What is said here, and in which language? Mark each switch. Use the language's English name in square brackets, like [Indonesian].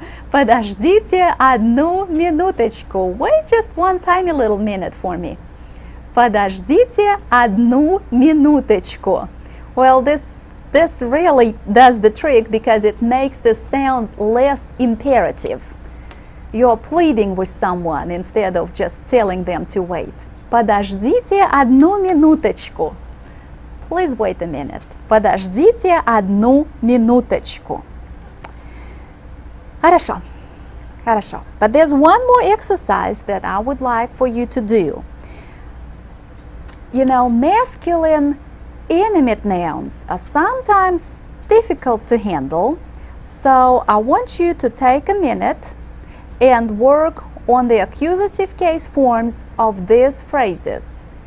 [Russian] Подождите одну минуточку. [English] Wait just one tiny little minute for me. [Russian] Подождите одну минуточку. [English] Well, this really does the trick because it makes the sound less imperative. You're pleading with someone instead of just telling them to wait. [Russian] Подождите одну минуточку. [English] Please wait a minute. [Russian] Подождите одну минуточку. Хорошо. Хорошо. [English] But there's one more exercise that I would like for you to do. You know, masculine inanimate nouns are sometimes difficult to handle, so I want you to take a minute and work on the accusative case forms of these phrases.